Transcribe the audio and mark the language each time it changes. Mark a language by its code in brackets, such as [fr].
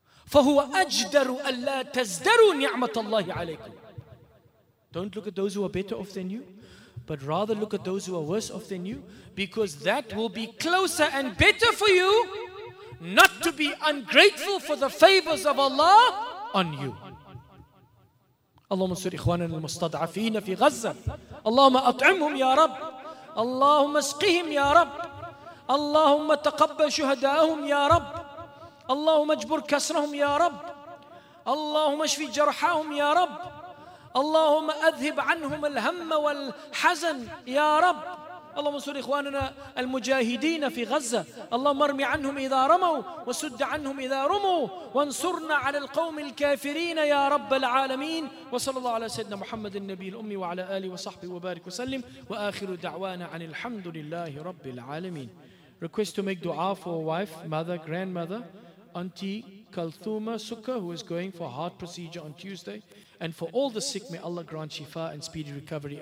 [ar] فَهُوَ أَجْدَرُ أَلَّا تَزْدَرُوا نِعْمَةَ اللَّهِ عَلَيْكُمْ. [en] Don't look at those who are better off than you, but rather look at those who are worse off than you, because that will be closer and better for you not to be ungrateful for the favors of Allah on you. [ar] اللهم سر إخواننا المستضعفين في غزة. اللهم أطعمهم يا رب. اللهم اسقهم يا رب. اللهم تقبل شهداءهم يا رب. اللهم اجبر كسرهم يا رب. اللهم اشفي جرحاهم يا رب. اللهم اذهب عنهم الهم والحزن يا رب. اللهم انصر اخواننا المجاهدين في غزة. اللهم ارمي عنهم اذا رموا وسد عنهم اذا رموا وانصرنا على القوم الكافرين يا رب العالمين. وصلى الله على سيدنا محمد النبي الامي وعلى اله وصحبه وبارك وسلم واخر دعوانا عن الحمد لله رب العالمين. [en] Request to make dua for wife, mother, grandmother, auntie Kalthuma Sukka, who is going for heart procedure on Tuesday, and for all the sick, may Allah grant shifa and speedy recovery.